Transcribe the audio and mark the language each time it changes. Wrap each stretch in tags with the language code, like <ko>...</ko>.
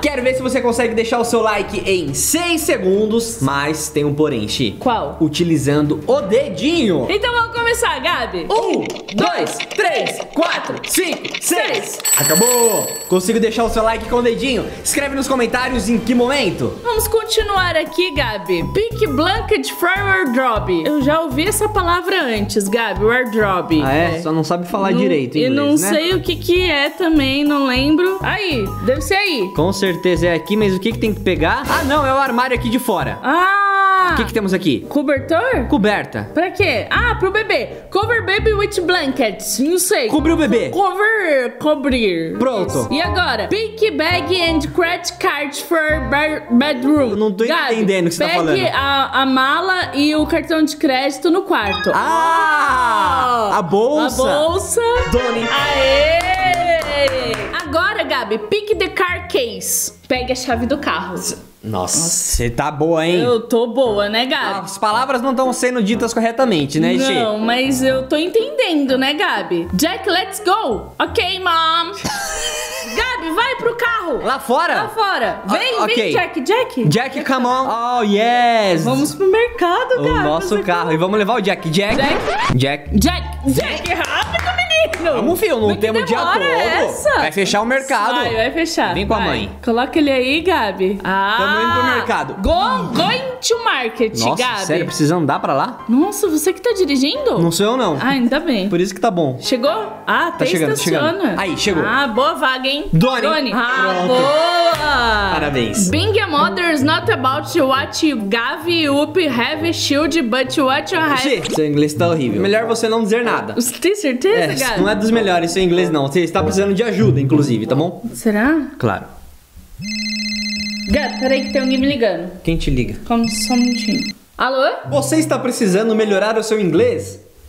<pt>Quero ver se você consegue deixar o seu like em 6 segundos. Mas tem um porém, Chi. Qual? Utilizando o dedinho. Então vamos começar, Gabi. 1, 2, 3, 4, 5, 6. Acabou. Consigo deixar o seu like com o dedinho? Escreve nos comentários em que momento. Vamos continuar aqui, Gabi.</pt> <en>Pick Blanket from Wardrobe.</en> <pt>Eu já ouvi essa palavra antes, Gabi.</pt> <en>Wardrobe.</en> <pt>Ah, é? Só não sabe falar direito em inglês, né? E não sei o que é também. Não lembro. Aí, deve ser aí. Com certeza é aqui, mas o que tem que pegar? Ah, não, é o armário aqui de fora. Ah! O que temos aqui? Cobertor? Coberta. Pra quê? Ah, pro bebê.</pt> <en>Cover baby with blankets.</en> <pt>Não sei. Cobrir o bebê. Cobrir. Pronto. E agora?</pt> <en>Pick bag and credit card for bedroom.</en> <pt>Eu não tô entendendo o que você tá falando. Pegue a mala e o cartão de crédito no quarto. Ah! Oh! A bolsa. A bolsa. Doni. Aê!</pt> <en>Agora, Gabi, pick the car keys.</en> <pt>Pegue a chave do carro. Nossa, você tá boa, hein? Eu tô boa, né, Gabi? As palavras não estão sendo ditas corretamente, né, Chi? Não, mas eu tô entendendo, né, Gabi?</pt> <en>Jack, let's go. Ok, mom. Gabi,</en> <pt>vai pro carro. Lá fora? Lá fora. Vem, okay. Vem, Jack. Jack.</pt> <en>Jack, come on. Oh, yes.</en> <pt>Vamos pro mercado, Gabi. O nosso carro. E vamos levar o Jack. Jack. Jack. Jack. Jack. Jack. Rápido, menino. Vamos, filho. Não temos dia todo. Essa? Vai fechar o mercado. Vai fechar. Vem com a mãe. Coloca ele aí, Gabi. Ah. Tamo indo pro mercado.</pt> <en>Going to market,</en> <pt>Nossa, Gabi. Nossa, sério? Precisa andar pra lá? Nossa, você que tá dirigindo? Não sou eu, não. Ah, ainda bem. Por isso que tá bom. Chegou? Ah, tá chegando, estaciona. Chegando. Aí, chegou. Ah, boa vaga, hein? Doni. Doni. Ah, boa. Parabéns.</pt> <en>Being a mother is not about what you have, up, have, shield, but what you have.</en> <pt>Seu inglês tá horrível. Melhor você não dizer nada. Você tem certeza, é, Gabi? Não é dos melhores seu inglês, não. Você está precisando de ajuda, inclusive, tá bom? Será? Claro. Gabi, peraí que tem alguém me ligando. Quem te liga? Calma só um minutinho. Alô? Você está precisando melhorar o seu inglês?</pt>